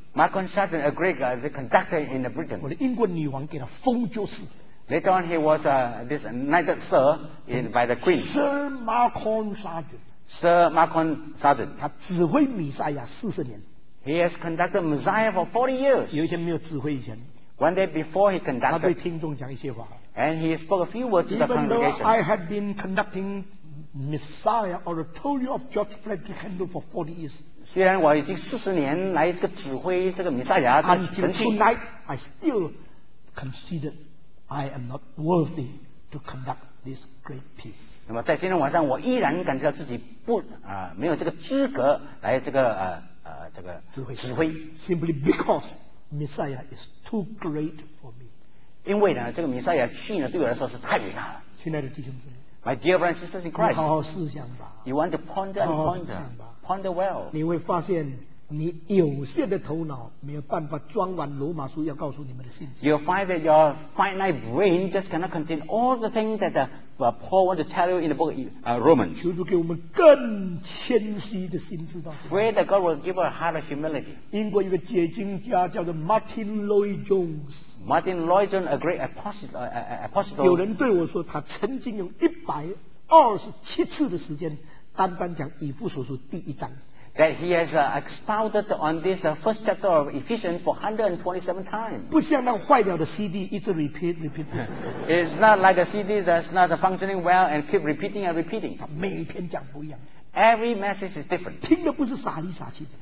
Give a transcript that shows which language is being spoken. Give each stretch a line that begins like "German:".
English: Macon Sargent, a great guy, the conductor in the Britain.
Chinese: 我的英国女王给他封爵士。
English: Later on, he was this knighted sir by the Queen. Sir Macon Sargent. Sir Macon Sargent.
Chinese: 他指挥弥赛亚四十年。
English: He has conducted Messiah for 40 years.
Chinese: 有一天没有指挥以前。
English: One day before he conducted.
Chinese: 他对听众讲一些话。
English: And he spoke a few words to the congregation. Even though I had been conducting Messiah Oratorio of George Frederick Handel for 40 years.
Chinese: 虽然我已经四十年来这个指挥这个弥赛亚这个神
English: 器 tonight, I still consider I am not worthy to conduct this great piece.
Chinese: 那么在今天晚上，我依然感觉到自己不没有这个资格来这个这个指挥。
English: Simply because Messiah is too great for me.
Chinese: 因为呢，这个弥赛亚去呢对我来说是太伟大了。亲爱的弟兄姊妹。
English: My dear brothers and sisters in Christ,
Chinese: 你好好思想吧。
English: You want to ponder and ponder, ponder well.
Chinese: 你会发现，你有限的头脑没有办法装满罗马书要告诉你们的信息。
English: You'll find that your finite brain just cannot contain all the things that Paul wants to tell you in the book Romans.
Chinese: 求主给我们更谦虚的心智吧。
English: Pray that God will give a heart of humility.
Chinese: 英国一个解经家叫做 Martin Lloyd Jones。
English: Martin Lloyd Jones, a great apostle.
Chinese: 有人对我说，他曾经用127次的时间，单单讲以弗所书第一章。
English: That he has expounded on this first chapter of Ephesians for 127 times.
Chinese: 不像那坏掉的 CD 一直 repeat.
English: It's not like a CD that's not functioning well and keep repeating and repeating.
Chinese: 他每篇讲不一样。
English: Every message is different.
Chinese: 听的不是傻里傻气的。